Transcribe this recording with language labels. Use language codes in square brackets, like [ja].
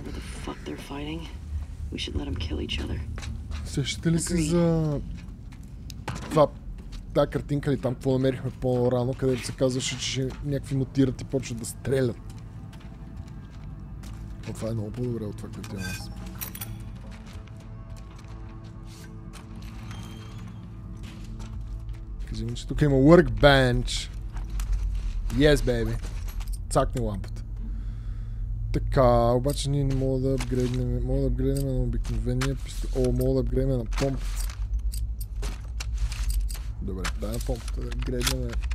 [en] Whatever the fuck they're fighting, we should let them kill each other. [bg] Сещате ли се за... Това... Та картинка ли там, какво намерихме по-рано, където се казваше, че някакви мутират и почват да стрелят. О, това е много по-добре от това, което имам аз. Извини, че тук има workbench. [en] Yes, baby. [bg] Цакни лампата. Така, обаче ние не мога да апгрейднем. Мога да апгрейднем на обикновения пистол. О, мога да апгрейднем на помпата. Добре, дай на помпата да апгрейднем.